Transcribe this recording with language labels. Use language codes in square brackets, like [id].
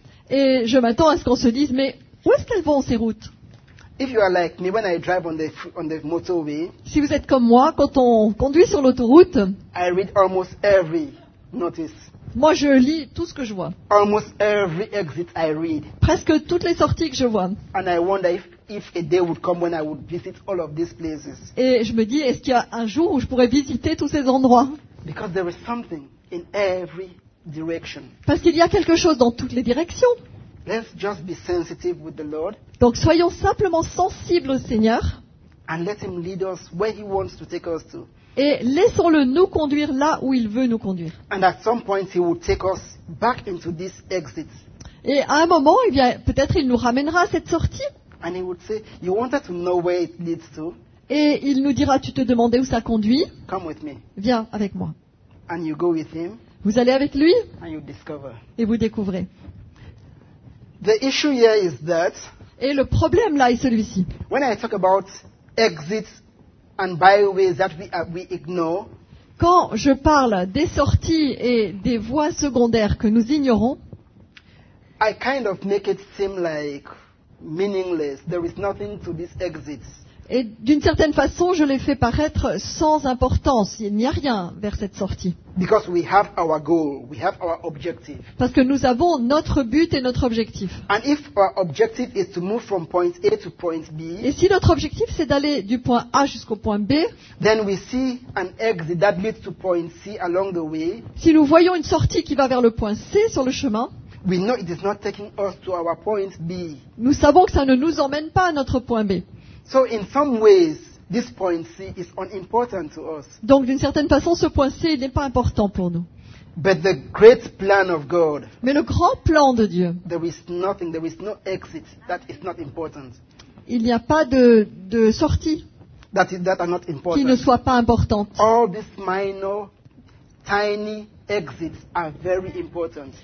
[fr] Et je m'attends à ce qu'on se dise, mais où est-ce qu'elles vont ces routes? [en] If you are like me when I drive on the motorway, [fr] si vous êtes comme moi, quand on conduit sur l'autoroute, [en] I read almost every notice. [fr] Moi, je lis tout ce que je vois. [en] Almost every exit I read. [fr] Presque toutes les sorties que je vois. [en] And I wonder if a day would come when I would visit all of these places. [fr] Et je me dis, est-ce qu'il y a un jour où je pourrais visiter tous ces endroits? [en] Because there is something in every direction. [fr] Parce qu'il y a quelque chose dans toutes les directions. [en] Let's just be sensitive with the Lord. [fr] Donc soyons simplement sensibles au Seigneur. [en] And let him lead us where he wants to take us to. [fr] Et laissons-le nous conduire là où il veut nous conduire. [en] And at some point he will take us back into this exit. [fr] Et à un moment, eh bien, peut-être il nous ramènera à cette sortie. [en] And he would say, you wanted to know where it leads to? [fr] Et il nous dira, tu te demandais où ça conduit? [en] Come with me. [fr] Viens avec moi. [en] And you go with him. [fr] Vous allez avec lui? [en] And you discover. [fr] Et vous découvrez. [en] The issue here is that. [fr] Et le problème là est celui-ci. [en] When I talk about exits and byways that we ignore. [fr] Quand je parle des sorties et des voies secondaires que nous ignorons. [en] I kind of make it seem like meaningless. There is nothing to these exits. [fr] Et d'une certaine façon, je les fais paraître sans importance. Il n'y a rien vers cette sortie. [en] Because we have our goal, we have our objective. [fr] Parce que nous avons notre but et notre objectif. [en] And if our objective is to move from point A to point B. [fr] Et si notre objectif c'est d'aller du point A jusqu'au point B. [en] Then we see an exit that leads to point C along the way. [fr] Si nous voyons une sortie qui va vers le point C sur le chemin. [en] We know it is not taking us to our point B. [fr] Nous savons que ça ne nous emmène pas à notre point B. [en] So in some ways, this point C is unimportant to us. [fr] Donc d'une certaine façon, ce point C n'est pas important pour nous. [en] But the great plan of God. [fr] Mais le grand plan de Dieu. [en] There is nothing. There is no exit that is not important. [fr] Il n'y a pas de sortie [en] that are not important. [fr] Qui ne soit pas importante. [en] All these minor, tiny exits are very important.